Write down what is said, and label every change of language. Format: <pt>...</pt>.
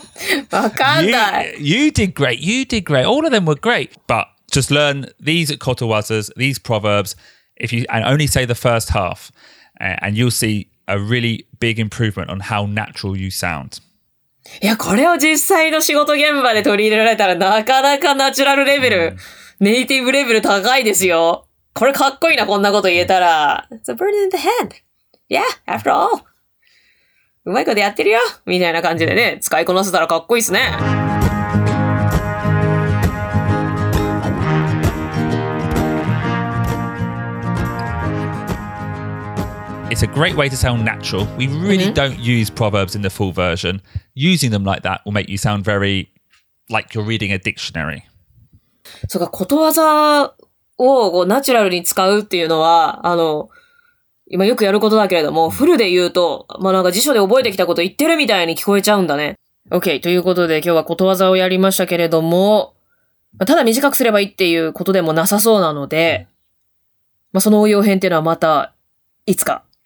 <en>you did great. You did great. All of them were great. But just learn these kotowazas, these proverbs, and only say the first half, and you'll see... A really big improvement on how natural you sound.</en> <ja>いや、これを実際の仕事現場で取り入れられたらなかなかナチュラルレベルネイティブレベル高いですよ。これかっこいいな、こんなこと言えたら。</ja> <en>It's a bird in the hand. Yeah, after all.</en> <ja>うまいことやってるよ。みたいな感じでね、使いこなせたらかっこいいですね。</ja> <en>It's a great way to sound natural. We really、mm-hmm. don't use proverbs in the full version. Using them like that will make you sound very like you're reading a dictionary.</en> <ja>そうか、ことわざをこうナチュラルに使うっていうのは、今よくやることだけれども、フルで言うと、まあ、なんか辞書で覚えてきたこと言ってるみたいに聞こえちゃうんだね。 OK、ということで今日はことわざをやりましたけれども、まあ、ただ短くすればいいっていうことでもなさそうなので、まあ、その応用編っていうのはまたいつか。</ja>